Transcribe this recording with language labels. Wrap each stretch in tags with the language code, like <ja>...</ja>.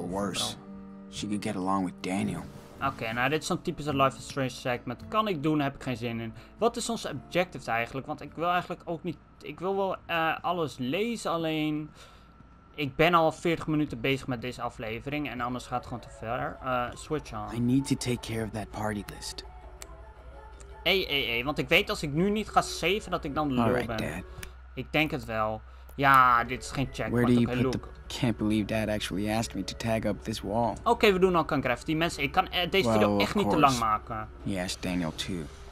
<en>Or worse. She could get along with Daniel.</en> <nl>Okay, nou dit is zo'n typische Life is Strange segment. Kan ik doen? Heb ik geen zin in. Wat is onze objective eigenlijk? Want ik wil eigenlijk ook niet... Ik wil wel alles lezen, alleen... Ik ben al 40 minuten bezig met deze aflevering. En anders gaat het gewoon te ver.</nl> <en>Switch on. I need to take care of that party list.</en> <nl>Want ik weet als ik nu niet ga saven dat ik dan lul ben.</nl> <en>Dad.</en> <nl>Ik denk het wel. Ja, dit is geen check.</nl> <en>Where do you put the... Can't believe Dad actually asked me to tag up this wall.</en> <nl>Okay, we doen al kan craft. Die mensen, ik kan deze video echt niet te lang maken.</nl> <en>Yes, Daniel too.</en>